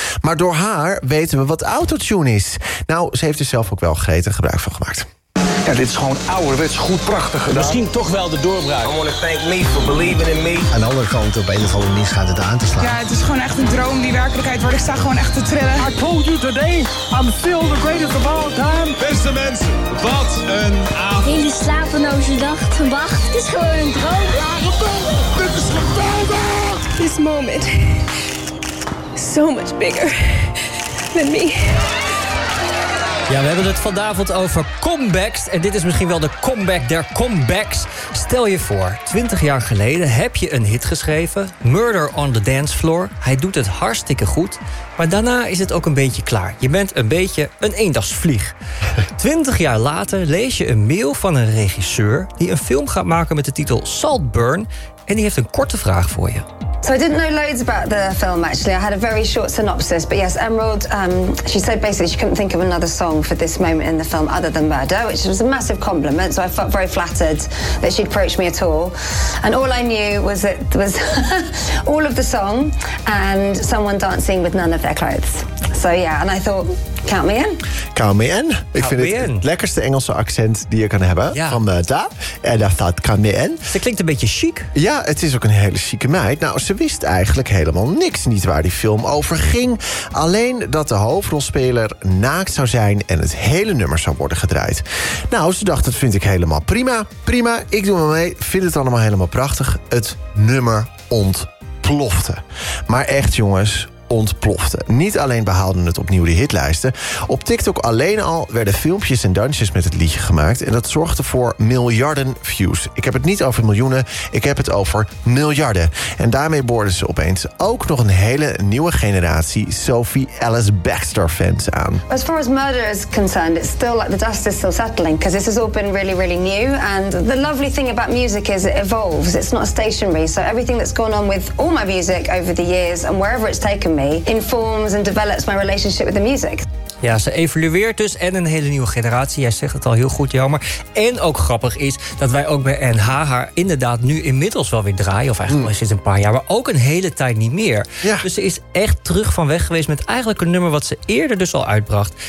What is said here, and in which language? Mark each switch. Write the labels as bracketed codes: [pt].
[nl] Maar door haar weten we wat autotune is. Nou, ze heeft er zelf ook wel gretig gebruik van gemaakt. Ja, dit is gewoon ouderwets goed prachtig gedaan. Misschien toch wel de doorbraak. [en] I want to thank me for believing in me. [nl] Aan de andere kant, op een of andere manier gaat het aan te slaan. Ja, het is gewoon echt een droom, die werkelijkheid wordt. Ik sta gewoon echt te trillen. [en] I told you today, I'm still the greatest of all time. [nl] Beste mensen, wat een avond. Hele slapeloze dag, wacht. Het is gewoon een droom. Ja, dit is geweldig. [en] This moment is so much bigger than me. [nl] Ja, we hebben het vanavond over comebacks. En dit is misschien wel de comeback der comebacks. Stel je voor, 20 jaar geleden heb je een hit geschreven. Murder on the Dance Floor. Hij doet het hartstikke goed. Maar daarna is het ook een beetje klaar. Je bent een beetje een eendagsvlieg. 20 jaar later lees je een mail van een regisseur die een film gaat maken met de titel Saltburn. En die heeft een korte vraag voor je. [en] So I didn't know loads about the film actually. I had a very short synopsis, but yes, Emerald, she said basically she couldn't think of another song for this moment in the film other than Murder, which was a massive compliment. So I felt very flattered that she'd approached me at all. And all I knew was it was all of the song and someone dancing with none of their clothes. So yeah, and I thought, count me in. Count me in. [nl] Ik vind het lekkerste Engelse accent die je kan hebben van Murder. [en] En I thought, count me in. [nl] Dat klinkt een beetje chic. Ja, het is ook een hele chique meid. Nou, ze wist eigenlijk helemaal niks niet waar die film over ging. Alleen dat de hoofdrolspeler naakt zou zijn en het hele nummer zou worden gedraaid. Nou, ze dacht, dat vind ik helemaal prima. Prima, ik doe me mee. Vind het allemaal helemaal prachtig. Het nummer ontplofte. Maar echt, jongens, ontplofte. Niet alleen behaalden het opnieuw de hitlijsten. Op TikTok alleen al werden filmpjes en dansjes met het liedje gemaakt. En dat zorgde voor miljarden views. Ik heb het niet over miljoenen, ik heb het over miljarden. En daarmee boorden ze opeens ook nog een hele nieuwe generatie Sophie Alice Baxter fans aan. [en] As far as Murder is concerned, it's still like the dust is still settling. Because this has all been really, really new. And the lovely thing about music is it evolves. It's not stationary. So everything that's gone on with all my music over the years and wherever it's taken me informs and develops my relationship with the music. [nl] Ja, ze evolueert dus en een hele nieuwe generatie. Jij zegt het al heel goed, jammer. En ook grappig is dat wij ook bij NH haar inderdaad nu inmiddels wel weer draaien. Of eigenlijk al sinds een paar jaar, maar ook een hele tijd niet meer. Ja. Dus ze is echt terug van weg geweest met eigenlijk een nummer wat ze eerder dus al uitbracht.